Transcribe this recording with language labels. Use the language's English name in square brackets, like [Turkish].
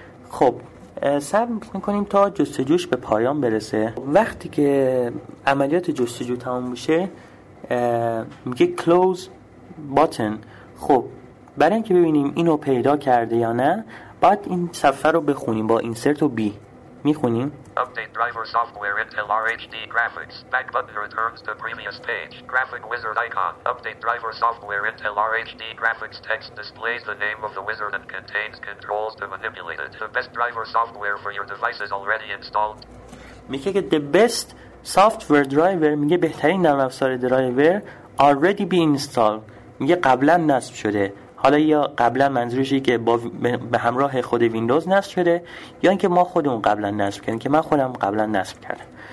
[Persian] خب صبر میکنیم تا جستجوش به پایان برسه. وقتی که عملیات جستجو تمام میشه میگه close button. خب برای اینکه ببینیم اینو پیدا کرده یا نه باید این صفحه رو بخونیم با insert و b میخونیم. [English] Update driver software Intel RHD graphics. Back button returns to previous page. Graphic wizard icon. Update driver software Intel RHD graphics. Text displays the name of the wizard and contains controls to manipulate it. The best driver software for your device is already installed. [Persian] میگه که [English] the best software driver، [Persian] میگه بهترین نرم افزار درایور [English] already be installed، [Persian] میگه قبلا نصب شده. حالا یا قبلا منظورش اینه که به همراه خود ویندوز نصب شده، یا اینکه ما خودمون قبلا نصب کردیم، که من خودم قبلا نصب کردم.